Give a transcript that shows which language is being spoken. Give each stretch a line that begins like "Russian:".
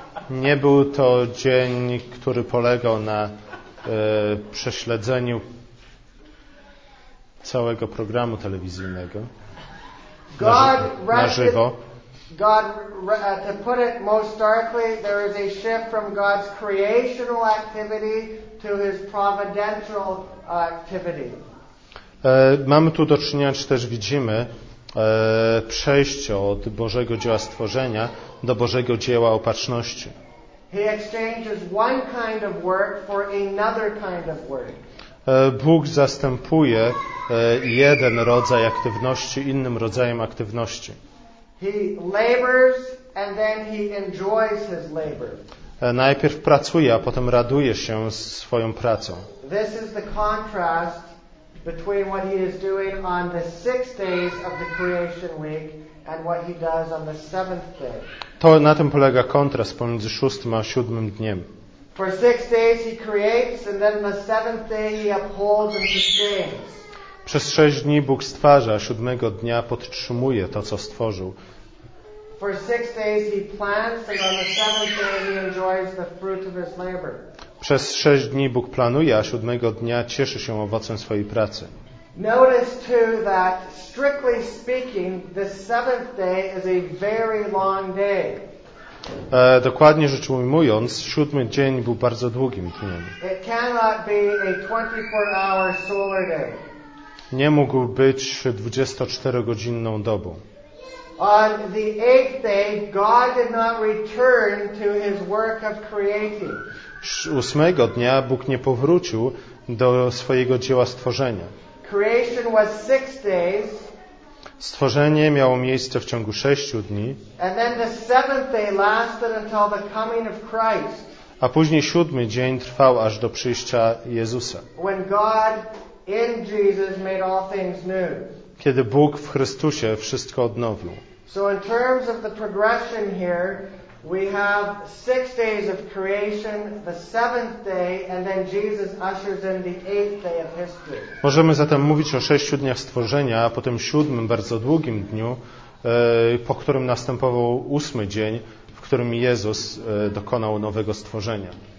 Polish: Nie był to dzień, który polegał na prześledzeniu całego programu telewizyjnego.
English: God
Polish: na żywo.
English: God, to put it most starkly, there is a shift from God's creational activity to his providential activity.
Polish: Mamy tu do czynienia, czy też widzimy, przejście od Bożego dzieła stworzenia do Bożego dzieła opatrzności.
English: He exchanges one kind of work for another kind of work.
Polish: Bóg zastępuje jeden rodzaj aktywności innym rodzajem aktywności.
English: He labors and then he enjoys his labor.
Polish: Najpierw pracuje, a potem raduje się swoją pracą.
English: This is the contrast between what he is doing on the six days of the creation week and what he does on the seventh day.
Polish: To na tym polega kontrast pomiędzy szóstym a siódmym dniem.
English: For six days he creates, and then the seventh day he upholds and sustains.
Polish: Przez sześć dni Bóg stwarza, a siódmego dnia podtrzymuje to, co stworzył.
English: For six days he plants, and on the seventh day he enjoys the fruit of his labor.
Polish: Przez sześć dni Bóg planuje, a siódmego dnia cieszy się owocem swojej pracy.
English: Notice too that, strictly speaking, the seventh day is a very long day.
Polish: Dokładnie rzecz ujmując, siódmy dzień był bardzo długim dniem.
English: It cannot be a 24-hour solar day.
Polish: Nie mógł być 24-godzinną dobą.
English: On the eighth day, God did not return to his work of creating.
Polish: Ósmego dnia Bóg nie powrócił do swojego dzieła stworzenia.
English: Creation was six days.
Polish: Stworzenie miało miejsce w ciągu sześciu dni.
English: And then the seventh day lasted until the coming of Christ.
Polish: A później siódmy dzień trwał aż do przyjścia Jezusa.
English: When God in Jesus made all things new.
Polish: Kiedy Bóg w Chrystusie wszystko odnowił.
English: So in terms of the progression here, we have six days of creation, the seventh day, and then Jesus ushers in the eighth day of history.
Polish: Możemy zatem mówić o sześciu dniach stworzenia, a potem siódmym, bardzo długim dniu, po którym następował ósmy dzień, w którym Jezus dokonał nowego stworzenia.